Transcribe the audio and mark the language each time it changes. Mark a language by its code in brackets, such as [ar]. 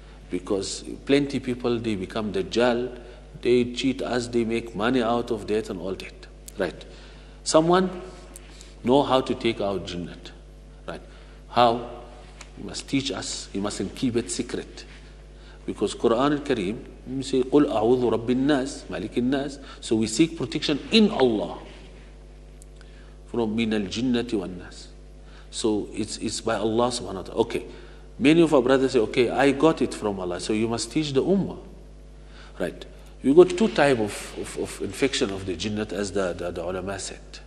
[en] Because plenty of people, they become dajjal, they cheat us, they make money out of that and all that. Right? Someone know how to take out jinnat. Right? How? He must teach us, he mustn't keep it secret. Because Quran al-Kareem, we say, [ar] قُلْ أَعُوذُ رَبِّ النَّاسِ مَلِكِ النَّاسِ. [en] So we seek protection in Allah from [ar] مِنَ الْجِنَّةِ وَالنَّاسِ. [en] So it's by Allah subhanahu wa ta'ala. Okay, many of our brothers say, okay, I got it from Allah. So you must teach the ummah. Right. You got two types of infection of the jinnat, as the ulama said.